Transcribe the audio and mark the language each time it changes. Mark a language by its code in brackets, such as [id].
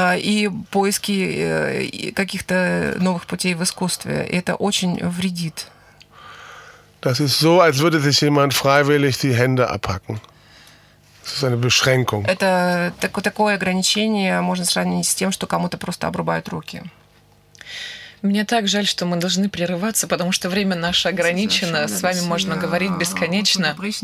[ru] И поиски каких-то новых путей в искусстве. И это очень вредит. [de] Das ist so, als würde sich jemand freiwillig die Hände abhacken. Das ist eine Beschränkung. [ru] Это такое ограничение можно сравнить с тем, что кому-то просто обрубают руки. Мне так жаль, что мы должны прерываться, потому что время наше ограничено. С вами можно говорить бесконечно.